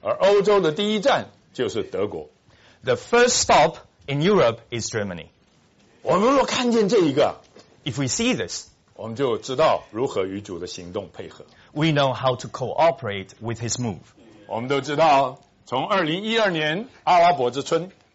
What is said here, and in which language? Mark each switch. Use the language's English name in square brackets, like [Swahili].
[Chinese] 而欧洲的第一站就是德国。 [English] The first stop in Europe is Germany. [Chinese] 我们若看见这一个 [English] If we see this, [Chinese] 我们就知道如何与主的行动配合。 [English] We know how to cooperate with his move. [Chinese] 我们都知道从2012年阿拉伯之春